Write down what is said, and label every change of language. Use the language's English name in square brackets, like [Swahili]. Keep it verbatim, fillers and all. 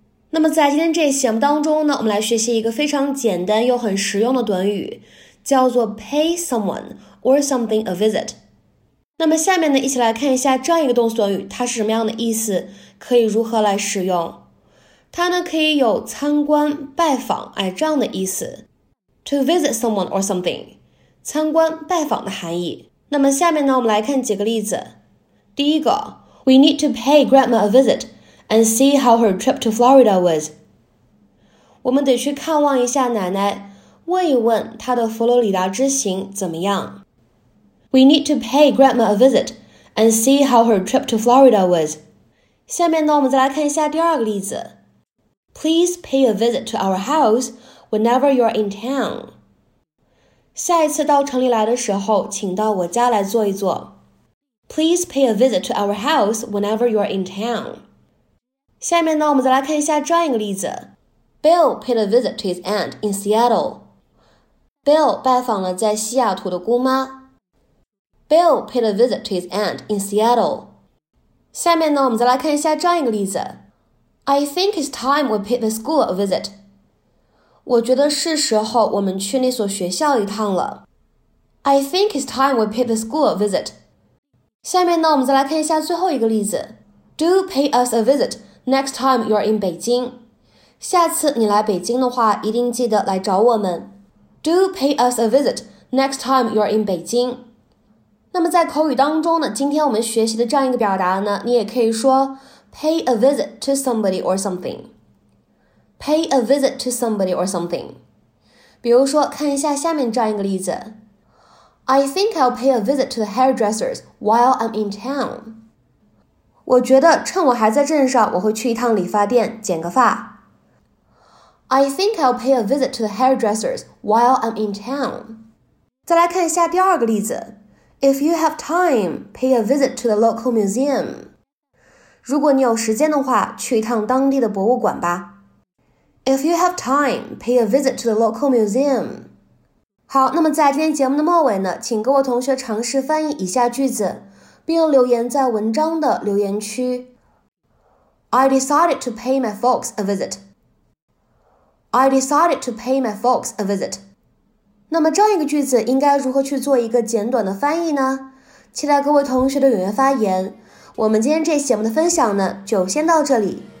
[Chinese] 那么在今天这一节目当中呢，我们来学习一个非常简单又很实用的短语，叫做 [English] pay someone or something a visit。 [Chinese] 那么下面呢，一起来看一下这样一个动词短语，它是什么样的意思，可以如何来使用。它呢可以有参观、拜访，哎，这样的意思。 [English] To visit someone or something， [Chinese] 参观、拜访的含义。那么下面呢，我们来看几个例子。第一个 [English] ，We need to pay Grandma a visit and see how her trip to Florida was。 [Chinese] 我们得去看望一下奶奶，问一问她的佛罗里达之行怎么样。 [English] We need to pay Grandma a visit and see how her trip to Florida was。 [Chinese] 下面呢，我们再来看一下第二个例子。 [English] Please pay a visit to our house whenever you're in town. [Chinese] 下一次到城里来的时候，请到我家来坐一坐。 [English] Please pay a visit to our house whenever you are in town. [Chinese] 下面呢，我们再来看一下这样一个例子。 [English] Bill paid a visit to his aunt in Seattle. [Chinese] Bill 拜访了在西雅图的姑妈。 [English] Bill paid a visit to his aunt in Seattle. [Chinese] 下面呢，我们再来看一下这样一个例子。 [English] I think it's time we paid the school a visit. [Chinese] 我觉得是时候我们去那所学校一趟了。 [English] I think it's time we paid the school a visit. [Chinese] 下面呢，我们再来看一下最后一个例子。 [English] Do pay us a visit next time you are in 北京。 [Chinese] 下次你来北京的话，一定记得来找我们。 [English] Do pay us a visit next time you are in 北京。 [Chinese] 那么在口语当中呢，今天我们学习的这样一个表达呢，你也可以说 [English] pay a visit to somebody or something。 Pay a visit to somebody or something。 [Chinese] 比如说，看一下下面这样一个例子。 [English] I think I'll pay a visit to the hairdressers while I'm in town. [Chinese] 我觉得趁我还在镇上，我会去一趟理发店剪个发。 [English] I think I'll pay a visit to the hairdressers while I'm in town. [Chinese] 再来看一下第二个例子。 [English] If you have time, pay a visit to the local museum. [Chinese] 如果你有时间的话，去一趟当地的博物馆吧。 [English] If you have time, pay a visit to the local museum. [Chinese] 好，那么在今天节目的末尾呢，请各位同学尝试翻译以下句子，并留言在文章的留言区。 [English] I decided to pay my folks a visit. I decided to pay my folks a visit. [Chinese] 那么这样一个句子应该如何去做一个简短的翻译呢？期待各位同学的踊跃发言。我们今天这期节目的分享呢，就先到这里。